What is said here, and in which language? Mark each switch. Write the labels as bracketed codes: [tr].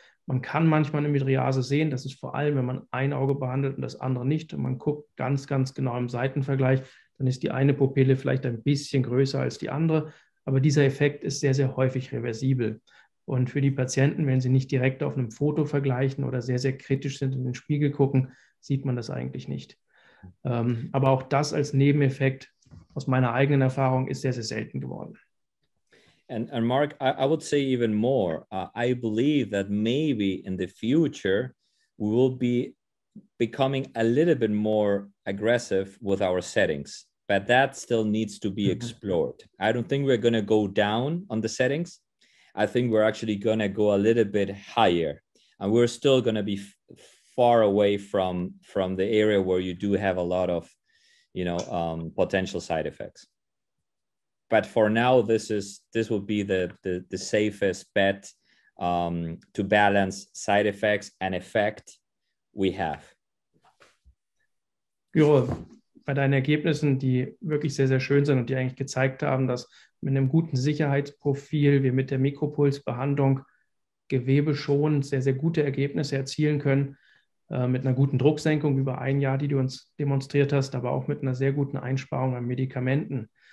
[de] Man kann manchmal eine Mydriase sehen, das ist vor allem, wenn man ein Auge behandelt und das andere nicht und man guckt ganz, ganz genau im Seitenvergleich, dann ist die eine Pupille vielleicht ein bisschen größer als die andere, aber dieser Effekt ist sehr, sehr häufig reversibel. Und für die Patienten, wenn sie nicht direkt auf einem Foto vergleichen oder sehr, sehr kritisch sind und in den Spiegel gucken, sieht man das eigentlich nicht. Aber auch das als Nebeneffekt aus meiner eigenen Erfahrung ist sehr, sehr selten geworden. [en] And Mark, I would say even more. I believe that maybe in the future we will be becoming a little bit more aggressive with our settings. But that still needs to be explored. I don't think we're going to go down on the settings. I think we're actually going to go a little bit higher, and we're still going to be far away from the area where you do have a lot of, you know, potential side effects. But for now, this will be the safest bet to balance side effects and effect we have. [de] Jo, bei deinen Ergebnissen, die wirklich sehr, sehr schön sind und die eigentlich gezeigt haben, dass mit einem guten Sicherheitsprofil wir mit der Mikropulsbehandlung gewebeschonend sehr, sehr gute Ergebnisse erzielen können, mit einer guten Drucksenkung über ein Jahr, die du uns demonstriert hast, aber auch mit einer sehr guten Einsparung an Medikamenten.